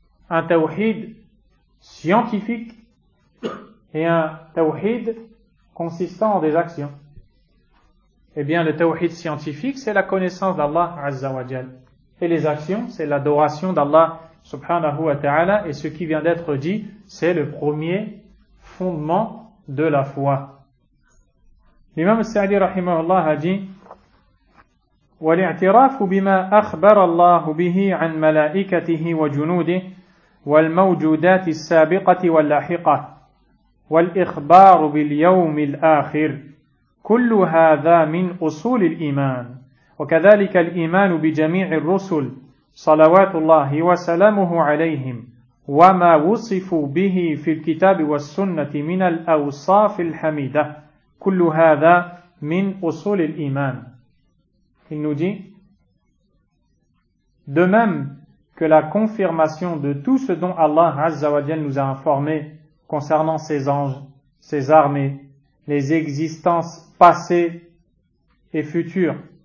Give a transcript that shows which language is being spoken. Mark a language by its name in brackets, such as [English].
[French] Un tawhid scientifique et un tawhid consistant en des actions. Eh bien, le tawhid scientifique, c'est la connaissance d'Allah Azza wa Jal. Et les actions, c'est l'adoration d'Allah subhanahu wa ta'ala. Et ce qui vient d'être dit, c'est le premier fondement de la foi. L'imam Sa'di rahimahullah a dit [Arabic] وَلِاعْتِرَافُ بِمَا أَخْبَرَ اللَّهُ بِهِ عَنْ مَلَائِكَتِهِ وَجُنُودِهِ وَالْمَوْجُودَاتِ السَّابِقَةِ وَاللَّاحِقَةِ وَالْإِخْبَارُ بِالْيَوْمِ الْآخِرِ كل هذا من أصول الإيمان وكذلك الإيمان بجميع الرسل صلوات الله وسلامه عليهم وما وصفوا به في الكتاب والسنة من الأوصاف الحميدة كل هذا من أصول الإيمان. [French] Il nous dit, de même que la confirmation de tout ce dont Allah Azza wa Jalla nous a informé concernant ses anges, ses armées, les existences passées et futures.